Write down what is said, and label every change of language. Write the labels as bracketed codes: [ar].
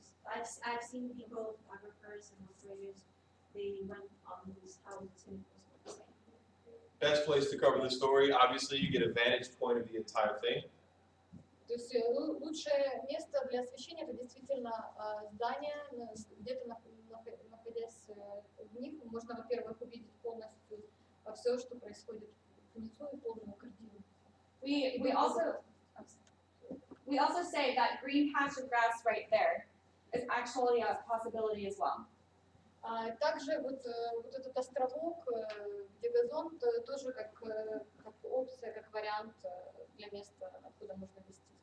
[en] I've seen people, photographers and operators, they went on these houses and it was the same. Best place to cover the story, obviously you get a vantage point of the entire thing. [ru] То есть лучшее место для освещения это действительно здание, где-то находясь в них, можно, во-первых, увидеть полностью все, что происходит внизу и полную картину. [en] We also say that green patch of grass right there is actually a possibility as well. [ru] Также вот этот островок, где газон, тоже как опция, как вариант для места, откуда можно вести.